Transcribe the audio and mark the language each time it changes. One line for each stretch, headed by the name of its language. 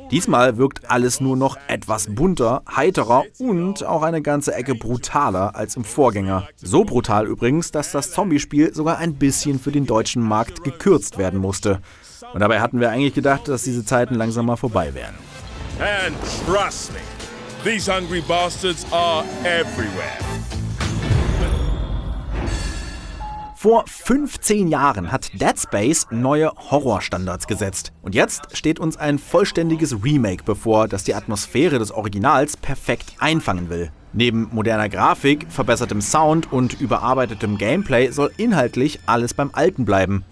German: Diesmal wirkt alles nur noch etwas bunter, heiterer und auch eine ganze Ecke brutaler als im Vorgänger. So brutal übrigens, dass das Zombiespiel sogar ein bisschen für den deutschen Markt gekürzt werden musste. Und dabei hatten wir eigentlich gedacht, dass diese Zeiten langsam mal vorbei wären.
English: And trust me, these hungry bastards are everywhere.
German: Vor 15 Jahren hat Dead Space neue Horrorstandards gesetzt. Und jetzt steht uns ein vollständiges Remake bevor, das die Atmosphäre des Originals perfekt einfangen will. Neben moderner Grafik, verbessertem Sound und überarbeitetem Gameplay soll inhaltlich alles beim Alten bleiben.